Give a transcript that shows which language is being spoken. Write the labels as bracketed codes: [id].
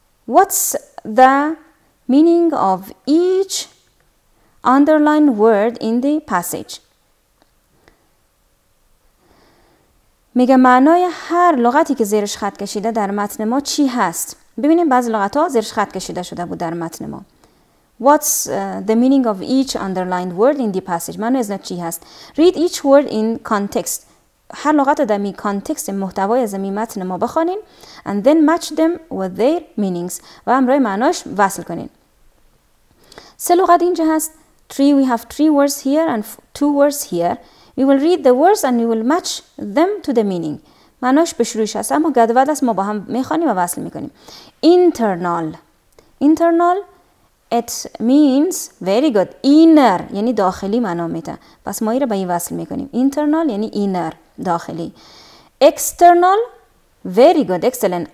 [en] What's the meaning of each underlined word in the passage? [fa] میگه معنای هر لغتی که زیرش خط کشیده در متن ما چی هست؟ ببینیم بعضی لغت‌ها زیرش خط کشیده شده بود در متن ما. [en] What's the meaning of each underlined word in the passage? [fa] معنی از چی هست؟ [en] Read each word in context. [fa] هر لغت در می کانتکست محتوای از می متن ما بخونین [en] and then match them with their meanings [fa] و هم روی معناش وصل کنین. سه لغت اینجا هست. [en] Three, we have three words here and two words here. We will read the words and we will match them to the meaning. [fa] معناش به شروعش هست اما گدود است ما با هم میخوانیم و وصل میکنیم. [en] Internal. Internal, it means very good. [fa] Inner, یعنی داخلی معنا میده. پس ما ایره به این وصل میکنیم. [en] Internal یعنی inner, داخلی. External, very good, excellent.